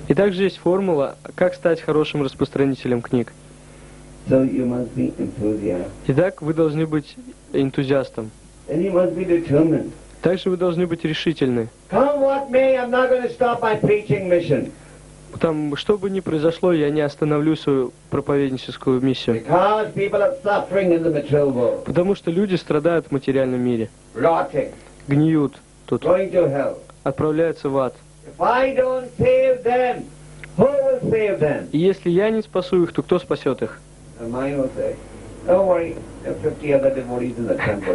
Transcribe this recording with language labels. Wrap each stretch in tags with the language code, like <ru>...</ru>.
<ru>И также есть формула, как стать хорошим распространителем книг.</ru> <en>So you must be enthusiastic.</en> <ru>Итак, вы должны быть энтузиастом.</ru> <en>And you must be determined.</en> <ru>Также вы должны быть решительны.</ru> <en>Come what may, I'm not going to stop my preaching mission.</en> <ru>Там, что бы ни произошло, я не остановлю свою проповедническую миссию.</ru> <en>Because people are suffering in the material world.</en> <ru>Потому что люди страдают в материальном мире.</ru> <en>Rotting.</en> <ru>Гниют тут.</ru> <en>Going to hell.</en> <ru>Отправляются в ад.</ru> <en>If I don't save them, who will save them?</en> <ru>И если я не спасу их, то кто спасет их?</ru> <en>Don't worry, there are 50 other devotees in the temple.</en>